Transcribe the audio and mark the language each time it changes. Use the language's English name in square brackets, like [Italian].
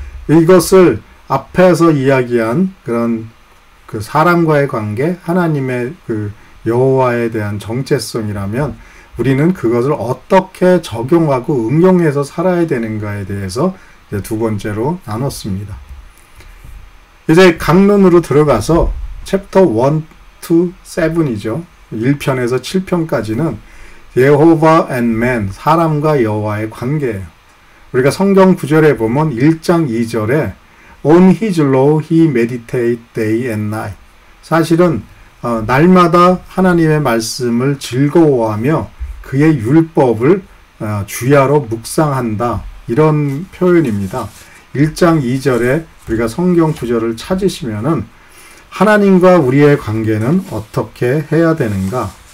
[Korean] 이것을 앞에서 이야기한 그런 그 사람과의 관계, 하나님의 그 여호와에 대한 정체성이라면 우리는 그것을 어떻게 적용하고 응용해서 살아야 되는가에 대해서 이제 두 번째로 나눴습니다. 이제 강론으로 들어가서 챕터 1, 2, 7이죠. 1편에서 7편까지는 여호와 and man, 사람과 여호와의 관계예요. 우리가 성경 구절에 보면 1장 2절에 [English] On his law he meditate day and night. [Korean] 사실은 날마다 하나님의 말씀을 즐거워하며 그의 율법을 주야로 묵상한다. 이런 표현입니다. 1장 2절에 우리가 성경 구절을 찾으시면은 하나님과 우리의 관계는 어떻게 해야 되는가?